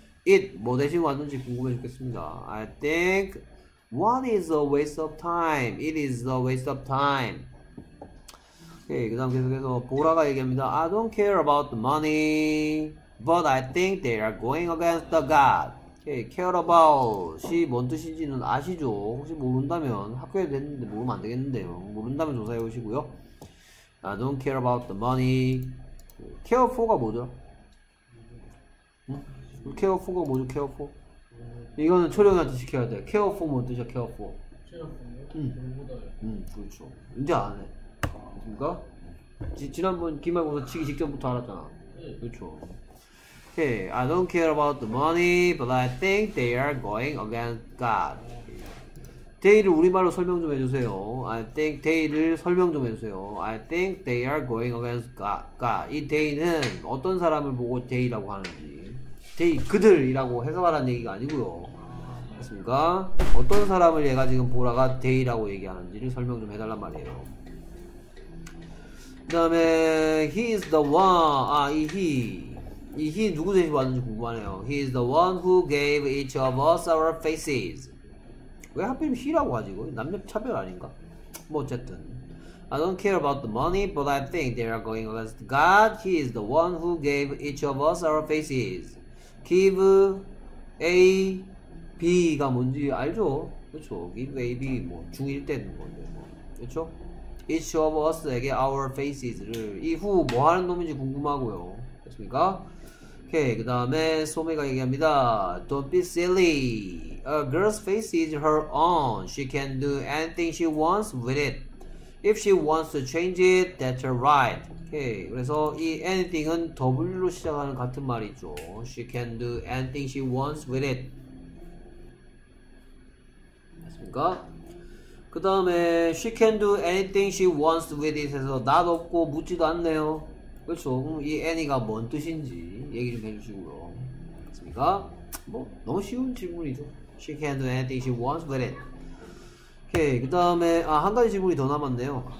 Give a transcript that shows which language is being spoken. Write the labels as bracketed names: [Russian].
[Korean] It 뭐 대신 왔는지 궁금해 죽겠습니다. [English] I think what is a waste of time. It is a waste of time. [Korean] 오케이, 그 다음 계속해서 보라가 얘기합니다. [English] I don't care about the money. But I think they are going against the God. [Korean] Okay, care about이 뭔 뜻인지는 아시죠? 혹시 모른다면 학교에 됐는데 모르면 안 되겠는데요. 모른다면 조사해 오시고요. [English] I don't care about the money. Care for가 뭐죠? [Korean] 응? [English] Care for가 뭐죠? Care for? [Korean] 이거는 초령이한테 시켜야 돼. [English] Care for 뭔 뜻이야? Care for. Care for요? [Korean] 그렇죠. 이제 안 해. 그러니까 지난번 기말고사 치기 직전부터 알았잖아. 그렇죠. [English] Okay, I don't care about the money, but I think they are going against God. [Korean] They를 우리말로 설명 좀 해주세요. [English] I think they [Korean] 를 설명 좀 해주세요. [English] I think they are going against God. [Korean] 이 they는 어떤 사람을 보고 they라고 하는지. They, 그들이라고 해석하라는 얘기가 아니고요. 맞습니까? 어떤 사람을 얘가 지금 보라가 they라고 얘기하는지를 설명 좀 해달란 말이에요. 다음에 [English] he is the one. [Korean] 아, 이 he. 이 he 누구 대신 왔는지 궁금하네요. [English] He is the one who gave each of us our faces. [Korean] 왜 하필 he라고 하지? 남녀 차별 아닌가? 뭐 어쨌든. [English] I don't care about the money, but I think they are going against God. He is the one who gave each of us our faces. [Korean] Give A, B가 뭔지 알죠? 그쵸? Give A, B, 뭐 중1 때 있는 건데 뭐. 그쵸? Each of us에게 our faces를 이 후 뭐 하는 놈인지 궁금하고요. 됐습니까? 오케이, 그 다음에 소매가 얘기합니다. [English] Don't be silly. A girl's face is her own. She can do anything she wants with it. If she wants to change it, that's her right. [Korean] Okay. 그래서 이 anything은 W로 시작하는 같은 말이죠. [English] She can do anything she wants with it. [Korean] 맞습니까? 그 다음에 [English] she can do anything she wants with it [Korean] 해서 not 없고 묻지도 않네요. 그렇죠. 그럼 이 any가 뭔 뜻인지 얘기 좀 해주시고요. 맞습니까? 뭐 너무 쉬운 질문이죠. [English] She can do anything she wants with it. [Korean] 오케이, 그 다음에 아, 한 가지 질문이 더 남았네요.